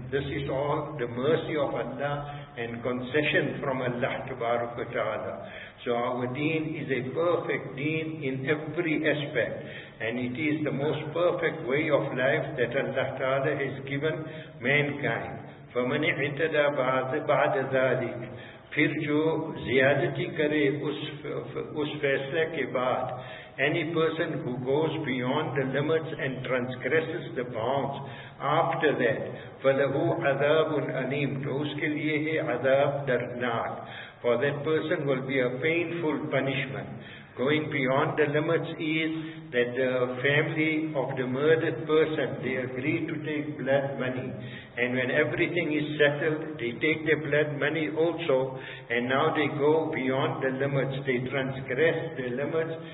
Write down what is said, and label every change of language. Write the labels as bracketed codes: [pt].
[en] This is all the mercy of Allah and concession from Allah Ta'ala. So our deen is a perfect deen in every aspect. And it is the most perfect way of life that Allah Ta'ala has given mankind. [ar] فَمَنِ اِعْتَدَى بَعْدَ ذَلِكَ. [ur] پھر جو زیادتی کرے اس فیصلہ کے بعد. [en] Any person who goes beyond the limits and transgresses the bounds after that. [ar] فَلَهُ عَذَابٌ أَلِيمٌ. [ur] تو اس کے لیے ہے عذاب دردناک. [en] For that person will be a painful punishment. Going beyond the limits is that the family of the murdered person, they agree to take blood money. And when everything is settled, they take their blood money also. And now they go beyond the limits. They transgress the limits.